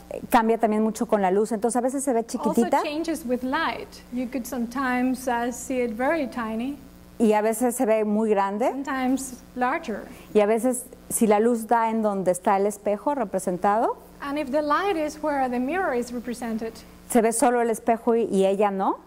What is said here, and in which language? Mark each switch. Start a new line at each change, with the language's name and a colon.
Spanish: cambia también mucho con la luz, entonces a veces se ve chiquitita.
English: Also changes with light. You could sometimes see it very tiny.
Spanish: Y a veces se ve muy grande.
English: Sometimes larger.
Spanish: Y a veces si la luz da en donde está el espejo representado.
English: And if the light is where the mirror is represented.
Spanish: Se ve solo el espejo y ella no.